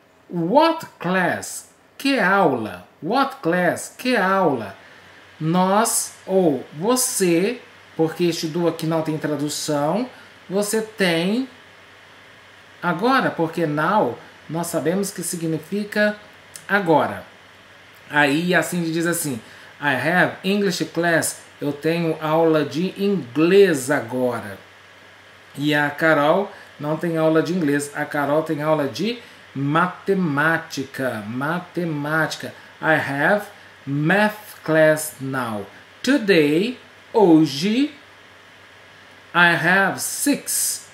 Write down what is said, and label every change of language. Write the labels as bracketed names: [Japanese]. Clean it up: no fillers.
[English] What class? [Portuguese] Que aula? What class? Que aula? Nós ou você, porque este do aqui não tem tradução, você tem agora, porque now nós sabemos que significa agora. Aí a Cindy diz assim, [English] I have English class. [Portuguese] Eu tenho aula de inglês agora. E a Carol não tem aula de inglês. A Carol tem aula de matemática. [English] Matemática. I have math class now. Today, hoje, I have 6.